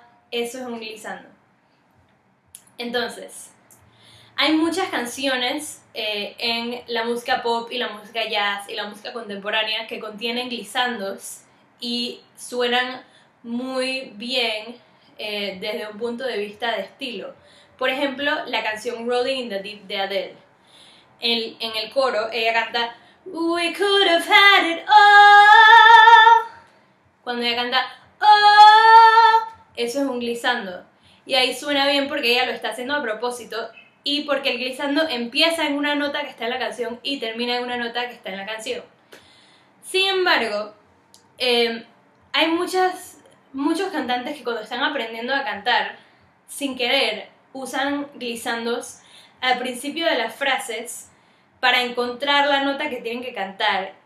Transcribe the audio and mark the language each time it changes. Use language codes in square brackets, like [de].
[es] Eso es un glisando. Entonces, hay muchas canciones en la música pop y la música jazz y la música contemporánea que contienen glisandos y suenan muy bien desde un punto de vista de estilo. Por ejemplo, la canción Rolling in the Deep de Adele. En el coro, ella canta [en] "We could have had it all". [es] Cuando ella canta "oh", eso es un glisando. Y ahí suena bien porque ella lo está haciendo a propósito y porque el glisando empieza en una nota que está en la canción y termina en una nota que está en la canción. Sin embargo, hay muchos cantantes que cuando están aprendiendo a cantar, sin querer, usan glisandos al principio de las frases para encontrar la nota que tienen que cantar.